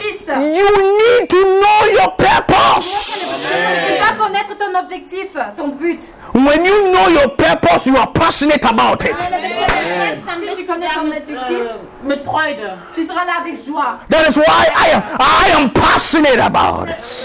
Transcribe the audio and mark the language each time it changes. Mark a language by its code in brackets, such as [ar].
[en] You need to know your purpose. [fr] Tu dois connaître ton objectif, ton but. [en] When you know your purpose, you are passionate about it. [fr] Si tu connais ton objectif, [de] mit Freude. [fr] Tu seras là avec joie. [en] That is why I am passionate about it.